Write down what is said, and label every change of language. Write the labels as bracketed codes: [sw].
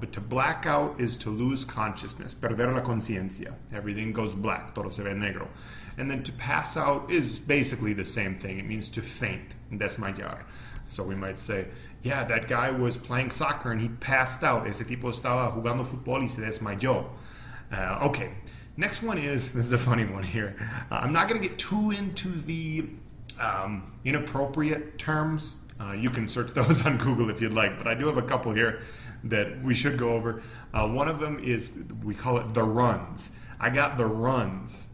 [en] But to black out is to lose consciousness. [es] Perder la conciencia. [en] Everything goes black. [es] Todo se ve negro. [en] And then to pass out is basically the same thing. It means to faint. Desmayar. So we might say, yeah, that guy was playing soccer and he passed out. [es] Ese tipo estaba jugando fútbol y se desmayó. [en] Okay. Next one is, this is a funny one here. I'm not going to get too into the inappropriate terms. You can search those on Google if you'd like, but I do have a couple here that we should go over. One of them is, we call it the runs. I got the runs.